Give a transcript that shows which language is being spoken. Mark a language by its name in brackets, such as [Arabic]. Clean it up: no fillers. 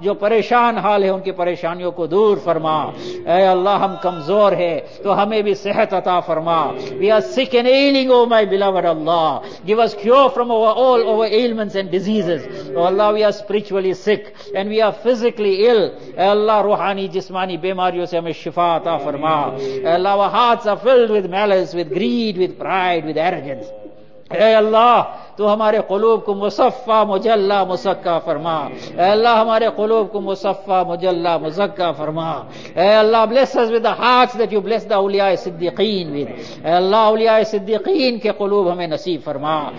[Urdu] جو پریشان حال ہے ان کی پریشانیوں کو دور فرما. اے اللہ ہم کمزور ہیں تو ہمیں بھی صحت عطا فرما. [English] We are sick and ailing, oh my beloved Allah. Give us cure from all our ailments and diseases. Oh Allah, we are spiritually sick and we are physically ill. [Urdu] اے اللہ روحانی جسمانی بیماریوں سے ہمیں شفا عطا فرما. [English] اے اللہ our hearts are filled with malice, with greed, with pride, with arrogance. [Urdu] اے اللہ تو ہمارے قلوب کو مصفہ مجلہ مسکہ فرما. اے اللہ ہمارے قلوب کو مصفہ مجلہ مسکہ فرما. [English] اے اللہ bless us with the hearts that you bless the اولیاء صدیقین with. [Urdu] اے اللہ اولیاء صدیقین کے قلوب ہمیں نصیب فرما.